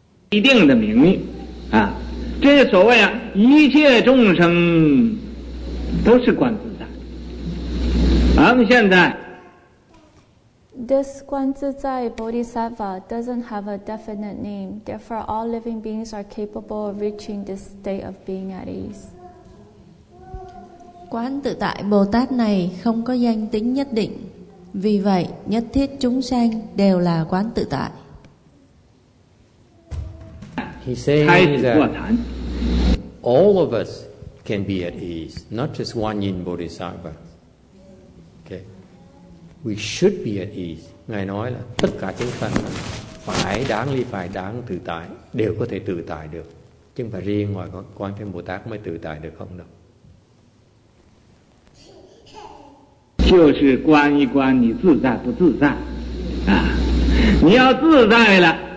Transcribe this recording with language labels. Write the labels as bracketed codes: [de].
[zh] 一定的名义啊, 这所谓啊, 一切众生 都是观自在。我们现在, [en] this 观自在 bodhisattva doesn't have a definite name, therefore all living beings are capable of reaching this state of being at ease. [vi] 观自在 Bồ Tát này không có danh tính nhất định, vì vậy nhất thiết chúng sanh đều là quán tự tại. [en] He says that all of us can be at ease, not just one yin bodhisattva. Okay. We should be at ease. [vi] Ngài nói là tất cả chúng ta phải đáng ly, phải đáng tự tại, đều có thể tự tại được. Chứ không phải riêng ngoài Quan Thế Bồ Tát mới tự tại được không đâu. [zh] 就是观一观你自在不自在啊，你要自在了。